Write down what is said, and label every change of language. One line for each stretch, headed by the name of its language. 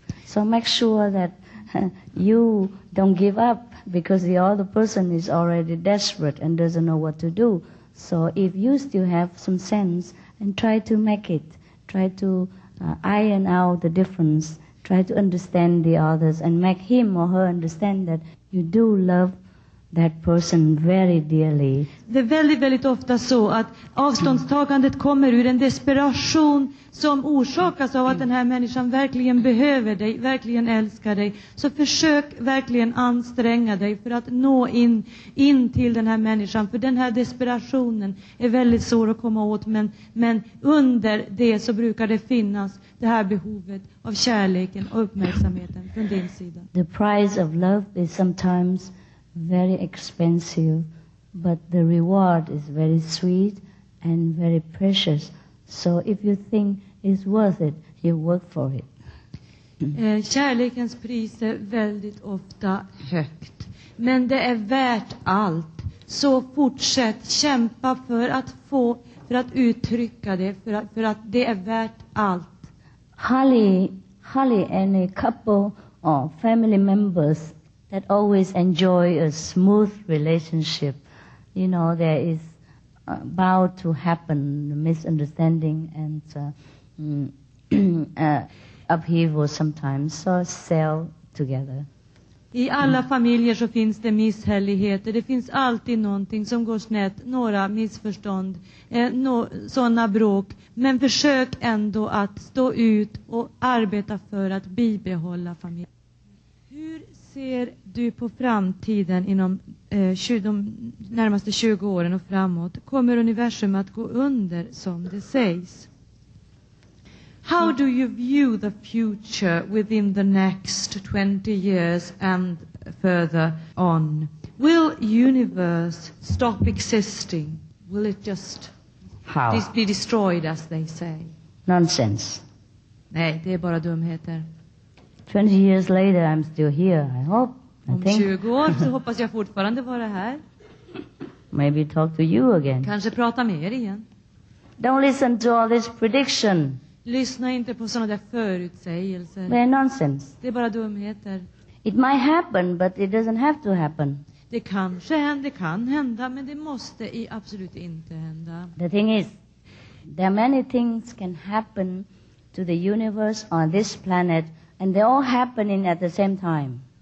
English: So make sure that you don't give up, because the other person is already desperate and doesn't know what to do. So if you still have some sense, and try to make it, try to iron out the difference. Try to understand the others and make him or her understand that you do love that person very dearly.
Swedish: Det är väldigt, väldigt ofta så att avståndstagandet kommer ur en desperation som orsakas av att den här människan verkligen behöver dig, verkligen älskar dig. Så försök verkligen anstränga dig för att nå in till den här människan. För den här desperationen är väldigt svår att komma åt. Men under det så brukar det finnas det här behovet av kärleken och uppmärksamheten från din sida.
English: The price of love is sometimes very expensive, but the reward is very sweet and very precious. So if you think it's worth it, you work for it.
Swedish: Kärlekens pris är väldigt ofta högt, men det är värt allt. Så fortsätt kämpa för att få, för att uttrycka det, för att det är värt allt.
English: Hardly, hardly any couple or family members that always enjoy a smooth relationship. You know, there is about to happen misunderstanding and upheaval sometimes, so sell together.
Swedish: I alla familjer så finns det misshälligheter. Det finns alltid någonting som går snett, några missförstånd, sådana bråk. Men försök ändå att stå ut och arbeta för att bibehålla familjen. Hur ser du på framtiden inom de närmaste 20 åren och framåt? Kommer universum att gå under som det sägs?
English: How do you view the future within the next 20 years and further on? Will universe stop existing? Will it just be destroyed, as they say? Nonsense.
Swedish: Nej, det är bara dumheter.
English: 20 years later, I'm still here, I hope.
Swedish: Om 20 år så hoppas jag fortfarande vara här.
English: Maybe talk to you again.
Swedish: Kanske prata med er igen.
English: Don't listen to all this prediction.
Swedish: Lyssna inte på såna där förutsägelser.
English: They're nonsense.
Swedish: Det är bara dumheter.
English: It might happen, but it doesn't have to happen.
Swedish: Det kanske händer, det kan hända, men det måste i absolut inte hända.
English: The thing is, there are many things can happen to the universe on this planet, and they're all happening at the same time.